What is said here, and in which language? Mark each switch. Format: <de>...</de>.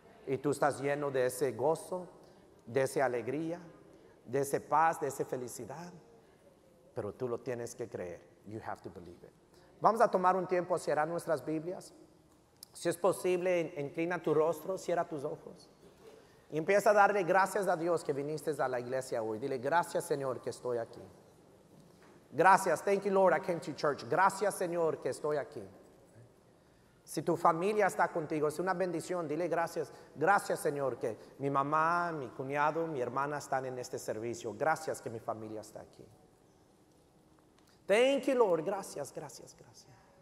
<es>Y tú estás lleno de ese gozo, de esa alegría, de esa paz, de esa felicidad. Pero tú lo tienes que creer.</es> <en>You have to believe it.</en> <es>Vamos a tomar un tiempo, cerrar nuestras Biblias. Si es posible, inclina tu rostro, cierra tus ojos. Y empieza a darle gracias a Dios que viniste a la iglesia hoy. Dile, gracias Señor que estoy aquí. Gracias,</es> <en>thank you Lord, I came to church.</en> <es>Gracias Señor que estoy aquí. Si tu familia está contigo, es una bendición, dile gracias. Gracias Señor que mi mamá, mi cuñado, mi hermana están en este servicio. Gracias que mi familia está aquí.</es> <en>Thank you Lord,</en> <es>gracias, gracias, gracias.</es>